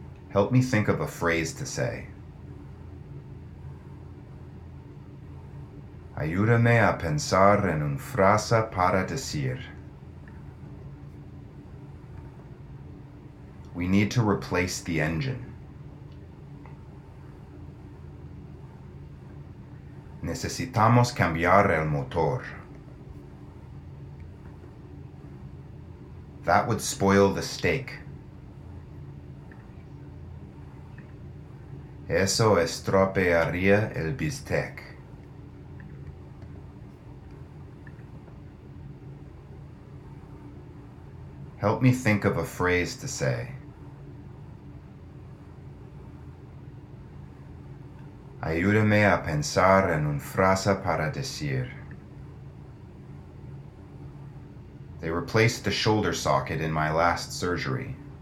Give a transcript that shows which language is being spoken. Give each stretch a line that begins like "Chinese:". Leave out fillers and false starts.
English: Help me think of a phrase to say.
Spanish: Ayúdame a pensar en una frase para decir.
English: We need to replace the engine.
Spanish: Necesitamos cambiar el motor.
English: That would spoil the steak.
Spanish: Eso estropearía el bistec.
English: Help me think of a phrase to say.
Spanish: Ayúdame a pensar en una frase para decir.
English: They replaced the shoulder socket in my last surgery.